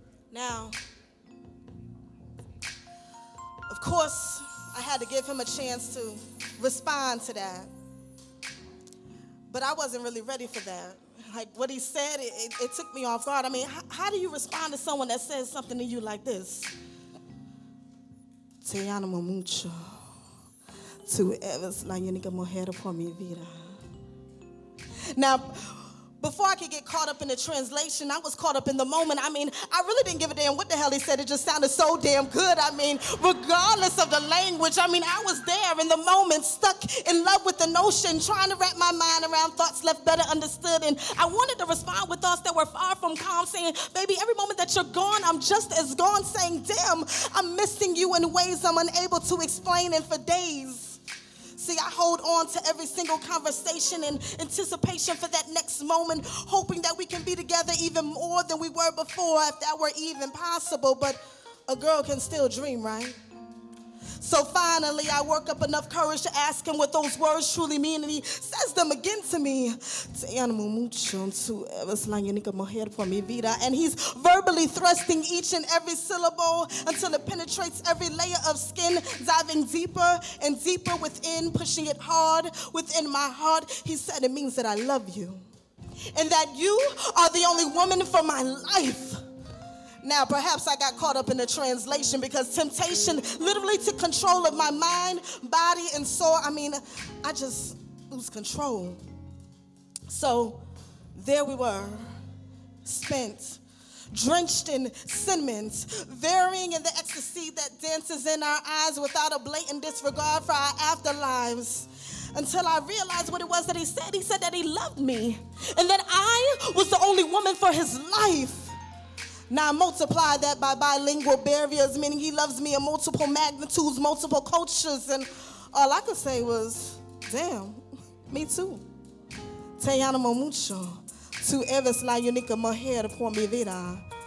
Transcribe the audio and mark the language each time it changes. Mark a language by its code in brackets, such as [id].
[en] Now, of course, I had to give him a chance to respond to that. But I wasn't really ready for that. Like, what he said, it took me off guard. I mean, how do you respond to someone that says something to you like this? [es] Te amo mucho. Tu eres la única mujer por mi vida. [en] Now, before I could get caught up in the translation, I was caught up in the moment. I mean, I really didn't give a damn what the hell he said. It just sounded so damn good. I mean, regardless of the language, I mean, I was there in the moment, stuck in love with the notion, trying to wrap my mind around thoughts left better understood. And I wanted to respond with thoughts that were far from calm, saying, baby, every moment that you're gone, I'm just as gone, saying, damn, I'm missing you in ways I'm unable to explain, and for days. See, I hold on to every single conversation in anticipation for that next moment, hoping that we can be together even more than we were before, if that were even possible. But a girl can still dream, right? So finally, I work up enough courage to ask him what those words truly mean, and he says them again to me. [es] Te amo mucho, tú eres la única mujer por mi vida. [en] And he's verbally thrusting each and every syllable until it penetrates every layer of skin, diving deeper and deeper within, pushing it hard within my heart. He said it means that I love you and that you are the only woman for my life. Now, perhaps I got caught up in the translation because temptation literally took control of my mind, body, and soul. I mean, I just lose control. So there we were, spent, drenched in cinnamon, varying in the ecstasy that dances in our eyes without a blatant disregard for our afterlives. Until I realized what it was that he said. He said that he loved me and that I was the only woman for his life. Now multiply that by bilingual barriers, meaning he loves me in multiple magnitudes, multiple cultures, and all I could say was, damn, me too. [es] Te amo mucho, tu eres la única mujer por mi vida.